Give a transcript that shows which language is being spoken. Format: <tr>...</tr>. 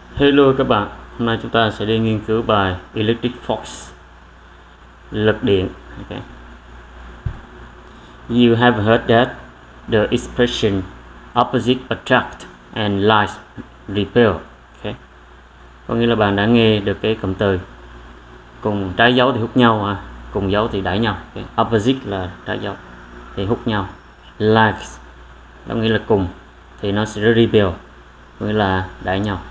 <vi>Hello các bạn, hôm nay chúng ta sẽ đi nghiên cứu bài Electric Force, lực điện.</vi> <en>Okay. You have heard that the expression opposite attract and like repel. Okay.</en> <vi>Có nghĩa là bạn đã nghe được cái cụm từ cùng trái dấu thì hút nhau, cùng dấu thì đẩy nhau. Okay. Opposite là trái dấu thì hút nhau, like có nghĩa là cùng thì nó sẽ repel, có nghĩa là đẩy nhau.</vi>